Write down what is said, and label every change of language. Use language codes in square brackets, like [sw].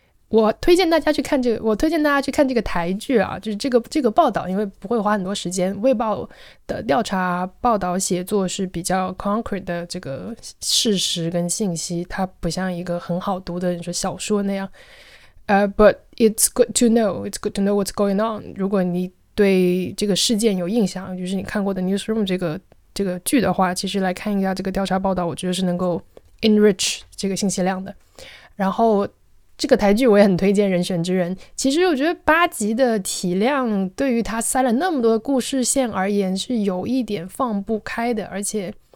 [zh] 我推荐大家去看这个台剧啊，就是这个报道，因为不会花很多时间。卫报的调查报道写作是比较 concrete 的这个事实跟信息，它不像一个很好读的你说小说那样。 [en] But it's good to know what's going on。 [zh] 如果你对这个事件有印象，就是你看过的 newsroom 这个剧的话，其实来看一下这个调查报道，我觉得是能够 enrich 这个信息量的。然后，这个台剧我也很推荐《人选之人》，其实我觉得八集的体量对于他塞了那么多故事线而言是有一点放不开的，而且